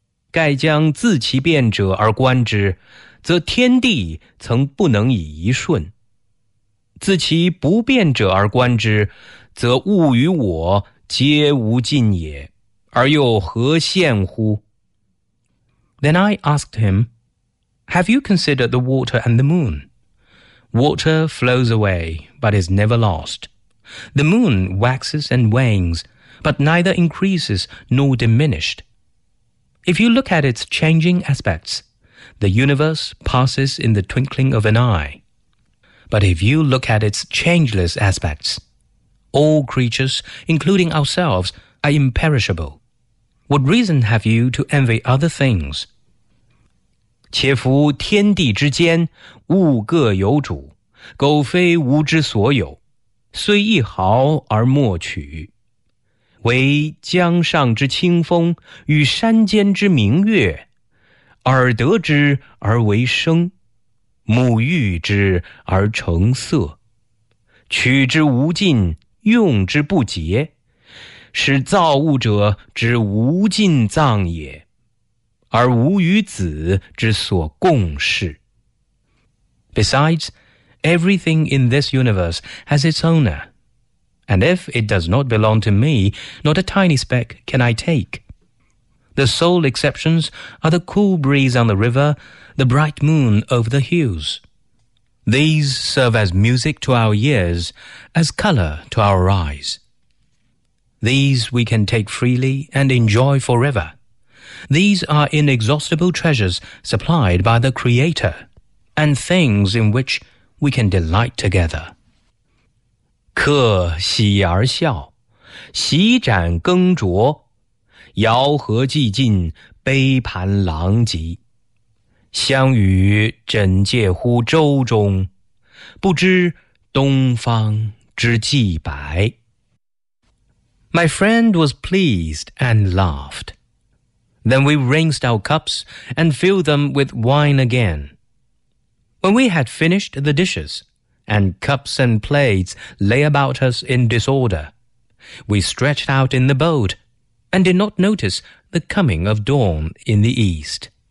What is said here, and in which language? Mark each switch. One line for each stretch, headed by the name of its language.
Chinese: 盖将自其变者而观之，则天地曾不能以一瞬。自其不变者而观之，则物与我皆无尽也，而又何羡乎？
English: Then I asked him, Have you considered the water and the moon? Water flows away, but is never lost. The moon waxes and wanes, but neither increases nor diminished. If you look at its changing aspects, the universe passes in the twinkling of an eye. But if you look at its changeless aspects, all creatures, including ourselves, are imperishable. What reason have you to envy other things?
Chinese: 且夫天地之间，物各有主，苟非吾之所有，虽一毫而莫取。唯江上之清风与山间之明月，耳得之而为声，目遇之而成色，取之无尽，用之不竭，使造物者之无尽藏也，而吾与子之所共事。
English: Besides, everything in this universe has its owner, and if it does not belong to me, not a tiny speck can I take. The sole exceptions are the cool breeze on the river, the bright moon over the hills. These serve as music to our ears, as color to our eyes. These we can take freely and enjoy forever. These are inexhaustible treasures supplied by the Creator, and things in which we can delight together.
Chinese: 客喜而笑，席展羹酌，肴盒既尽，杯盘狼藉。相与枕藉乎舟中，不知东方之既白。
English: My friend was pleased and laughed. Then we rinsed our cups and filled them with wine again. When we had finished the dishes, and cups and plates lay about us in disorder, we stretched out in the boat and did not notice the coming of dawn in the east.